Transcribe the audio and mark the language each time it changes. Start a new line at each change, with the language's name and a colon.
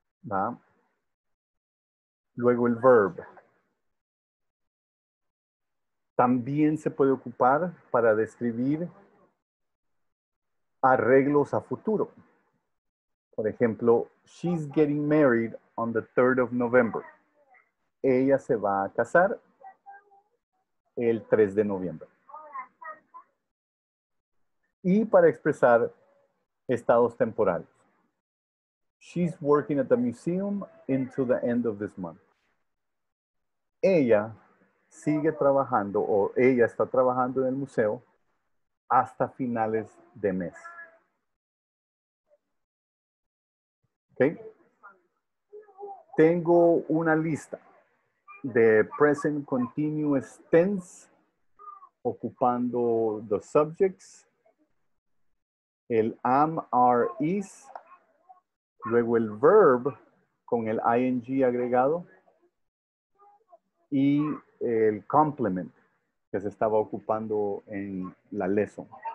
Spanish: ¿Va? Luego el verb. También se puede ocupar para describir arreglos a futuro. Por ejemplo,
English: she's getting married on the 3rd of November.
Spanish: Ella se va a casar el 3 de noviembre. Y para expresar estados temporales.
English: She's working at the museum into the end of this month.
Spanish: Ella sigue trabajando o ella está trabajando en el museo hasta finales de mes. ¿Okay? Tengo una lista de present continuous tense ocupando
English: the subjects,
Spanish: el am, are, is, luego el verb con el ing agregado y el complement que se estaba ocupando en la lesson.